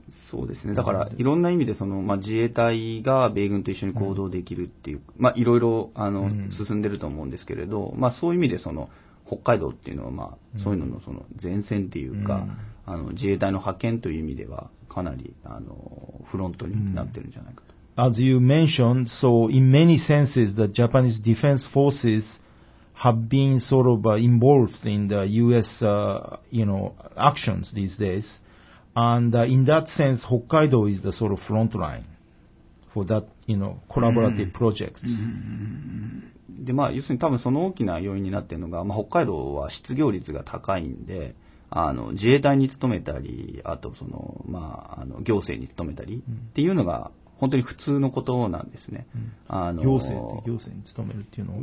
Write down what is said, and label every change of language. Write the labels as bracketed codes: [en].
[ja] そうですね、だからいろんな意味でその、まあ、自衛隊が米軍と一緒に行動できるっていう、うん、まあ、いろいろ進んでると思うんですけれど、うん、まあ、そういう意味でその北海道っていうのは、まあ、そういうのの、その前線っていうか、うん、自衛隊の派遣という意味ではかなりフロントになってるんじゃないかと、うん、 [en] As you mentioned, so in many senses, the Japanese defense forces have been sort of involved in the U.S. Actions these days. And in that sense, Hokkaido is the sort of front line for that, collaborative projects. [ja] で、まあ、要するに多分その大きな要因になっているのが、まあ、北海道は失業率が高いんで、自衛隊に勤めたり、あとその、まあ、行政に勤めたりっていうのが、本当に普通のことなんですね。うん、行政に勤めるっていうのを